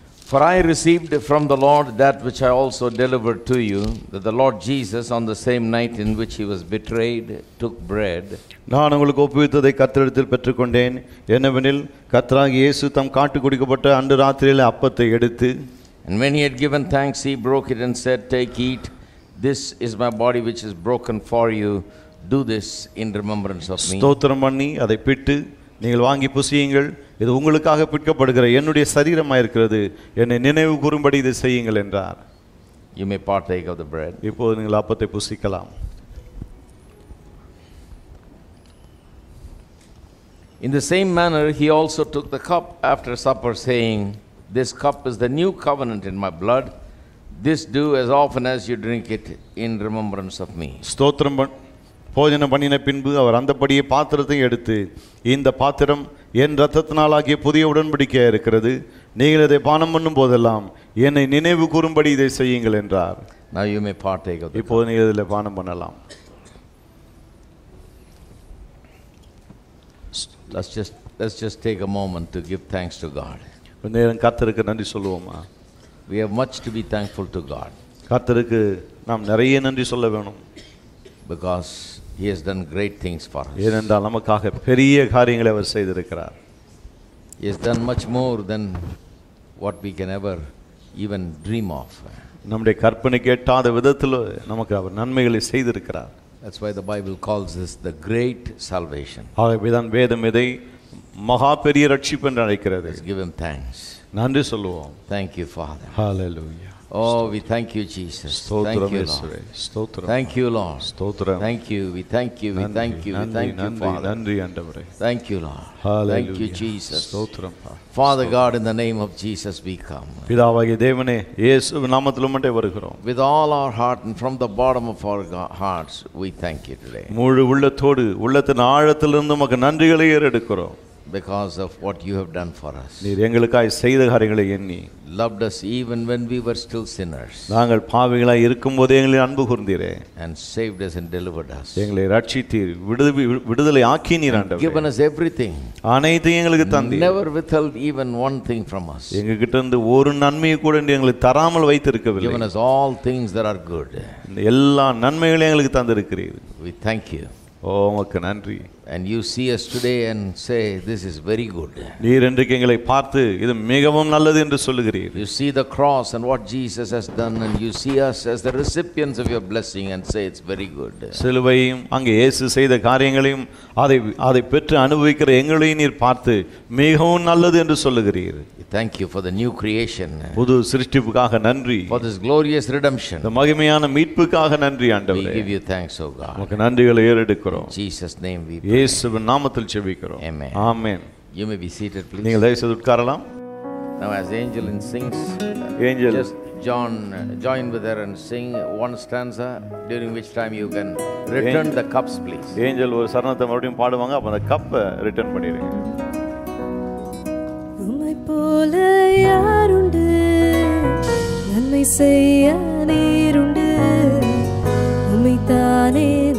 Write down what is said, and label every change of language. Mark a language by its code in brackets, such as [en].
[en] For I received from the Lord that which I also delivered to you, that the Lord Jesus, on the same night in which he was betrayed, took bread. [ta] நான் உங்களுக்கு ஒப்புவித்ததை கர்த்தரிடத்தில் பெற்றுக்கொண்டேன், என்னவெனில் கர்த்தராகிய இயேசு தம் காட்டு குடிக்கப்பட்ட அன்று ராத்திரியிலே அப்பத்தை எடுத்து, [en] and when he had given thanks, he broke it and said, take eat, this is my body which is broken for you, do this in remembrance of me. [ta] ஸ்தோத்திரம் பண்ணி அதை பிட்டு, நீங்கள் வாங்கி புசியுங்கள், இது உங்களுக்காக பிட்கப்படுகிற என்னுடைய சரீரமாயிருக்கிறது, என்னை நினைவு கூறும்படி இதை செய்யுங்கள் என்றார். [en] You may partake of the bread. [ta] இப்போது நீங்கள் அப்பத்தை புசிக்கலாம். [en] In the same manner, he also took the cup after supper, saying, this cup is the new covenant in my blood. This do as often as you drink it in remembrance of me. [ta] ஸ்தோத்திரம் போஜனம் பண்ணின பின்பு அவர் அந்தபடியே பாத்திரத்தை எடுத்து, இந்த பாத்திரம் என் இரத்தத்தினாலாகிய புதிய உடன்படிக்கையாக இருக்கிறது, நீங்கள் இதை பானம் பண்ணும் போதெல்லாம் என்னை நினைவு கூறும்படி இதை செய்யுங்கள் என்றார். [en] Now you may partake of it. [ta] இப்போது நீங்கள் இதில் பானம் பண்ணலாம். [en] Let's just take a moment to give thanks to God. [ta] கொஞ்ச நேரம் கர்த்தருக்கு நன்றி சொல்லுவோமா? [en] We have much to be thankful to God. [ta] கர்த்தருக்கு நாம் நிறைய நன்றி சொல்ல வேணும். [en] Because he has done great things for us. [ta] ஏனென்றால் நமக்காக பெரிய காரியங்களை அவர் செய்திருக்கிறார். [en] He has done much more than what we can ever even dream of. [ta] நம்முடைய கற்பனை கேட்டாத விதத்தில் நமக்கு அவர் நன்மைகளை செய்திருக்கிறார். [en] That's why the Bible calls this the great salvation. [ta] ஆகவேதான் வேதம் இதை மகா பெரிய இரட்சிப்பு என்று அழைக்கிறது. [en] Let's give him thanks. [ta] நன்றி சொல்லுவோம். [en] Thank you, Father. Hallelujah. Oh, we thank you, Jesus. [ta] Stotram, [en] thank you, Lord. [ta] Stotram. [en] Thank you, Lord. Thank you. We thank you. We thank you, Father. Thank you, Lord. Hallelujah. Thank you, Jesus. [ta] Stotram. [en] Father God, in the name of Jesus, we come. [ta] பிதாவாகிய தேவனே, இயேசுவின் நாமத்தில் உம்மை வருகிறோம். [en] With all our heart and from the bottom of our hearts, we thank you today. [ta] முழு உள்ளத்தோடு, உள்ளத்தின் ஆழத்திலிருந்து உமக்கு நன்றிகளை ஏறெடுக்கிறோம். [en] Because of what you have done for us. [ta] நீர் எங்களுக்காய் செய்த காரியங்களை எண்ணி, [en] loved us even when we were still sinners. [ta] நாங்கள் பாவிகளாய் இருக்கும்போதே எங்களை அன்பு கூர்ந்தீரே. [en] And saved us and delivered us. [ta] எங்களை இரட்சித்தீர், விடுதலை ஆக்கி நீர் ஆண்டவரே. [en] Given us everything. [ta] அனைத்தையும் எங்களுக்கு தந்தீர். [en] Never withheld even one thing from us. [ta] எங்ககிட்ட இருந்து ஒரு நன்மையை கூட எங்களை தராமல் வைத்திருக்கவில்லை. [en] Given us all things that are good. [ta] எல்லா நன்மைகளையும் எங்களுக்கு தந்திருக்கிறீர். [en] We thank you. [ta] ஓ, உமக்கு நன்றி. [en] And you see us today and say, this is very good. [ta] நீர் இன்றைக்கு எங்களை பார்த்து இது மிகவும் நல்லது என்று சொல்லுகிறீர். [en] You see the cross and what Jesus has done, and you see us as the recipients of your blessing and say, it's very good. [ta] சிலுவையும் அங்கே இயேசு செய்த காரியங்களையும் அதை பெற்று அனுபவிக்கிற எங்களையும் நீர் பார்த்து மிகவும் நல்லது என்று சொல்லுகிறீர். [en] Thank you for the new creation. [ta] புது சிருஷ்டிப்புக்காக நன்றி. [en] For this glorious redemption. [ta] இந்த மகிமையான மீட்புக்காக நன்றி ஆண்டவரே. [en] We give you thanks, O God. [ta] உமக்கு நன்றிகளை ஏறெடுக்கிறோம். [en] Jesus name we [ta] இயேசுவின் நாமத்தில் ஜெபிக்கிறோம். ஆமென். ஆமென். [en] You may be seated, please. [ta] நீங்கள் தயவுசெய்து உட்காரலாம். [en] Now as angel and sings, angel just join with her and sing one stanza, during which time you can return angel, the cups, please. [ta] Angel ஒரு சரணத்தை மறுபடியும் பாடுவாங்க, அப்ப அந்த கப் ரிட்டர்ன் பண்ணிடுங்க. உம்மை போல யார் உண்டு, நன்மை செய்ய நீர் உண்டு, உம்மை தானே